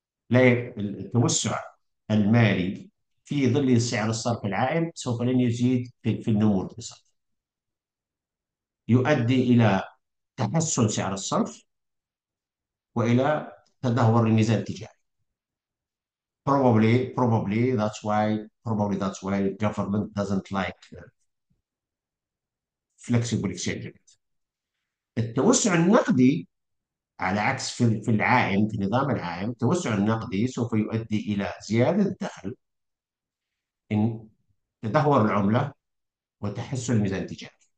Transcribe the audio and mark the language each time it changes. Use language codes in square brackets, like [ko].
[ar] لا، التوسع المالي في ظل سعر الصرف العائم سوف لن يزيد في النمو الاقتصادي. يؤدي إلى تحسن سعر الصرف وإلى تدهور الميزان التجاري. [en] Probably that's why government doesn't like flexible exchange rate. [ar] التوسع النقدي على عكس في العائم، في النظام العائم، التوسع النقدي سوف يؤدي إلى زيادة الدخل، إن تدهور العملة وتحسن الميزان التجاري.